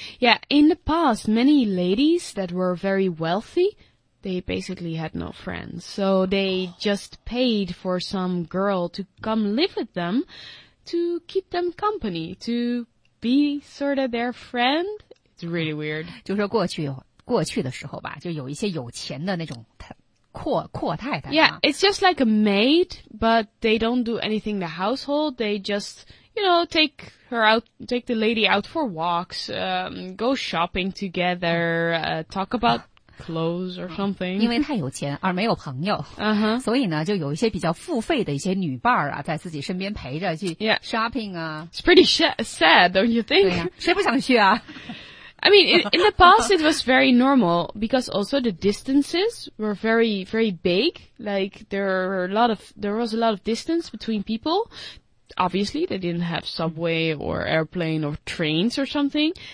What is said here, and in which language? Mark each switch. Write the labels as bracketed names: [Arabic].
[English] Yeah, in the past many ladies that were very wealthy they basically had no friends so they just paid for some girl to come live with them to keep them company toBe sort of their friend. It's really weird. [Chinese] 就说过去的时候吧，就有一些有钱的那种阔太太。 [English] Yeah, it's just like a maid, but they don't do anything in the household. They just, you know, take the lady out for walks, go shopping together, talk about clothes or something. [Chinese] 因为太有钱而没有朋友，所以呢，就有一些比较付费的一些女伴啊，在自己身边陪着去 shopping 啊。 [English] It's pretty sad, don't you think? [Chinese] 对呀，谁不想去啊？ [English] I mean, in the past, it was very normal because also the distances were very, very big. Like there was a lot of distance between people. Obviously, they didn't have subway or airplane or trains or something.